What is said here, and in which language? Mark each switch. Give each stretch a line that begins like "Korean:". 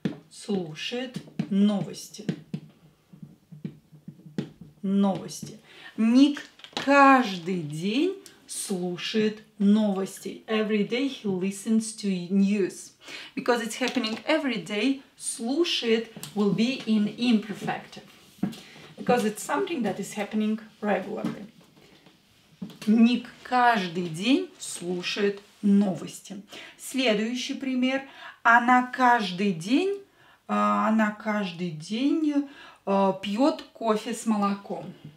Russian: Слушает новости. Новости. Ник каждый день слушает новости.
English: Every day he listens to news. Because it's happening every day, слушает will be in imperfective. Because it's something that is happening regularly.
Russian: Ник каждый день слушает новости. Следующий пример. Она каждый день пьет кофе с молоком.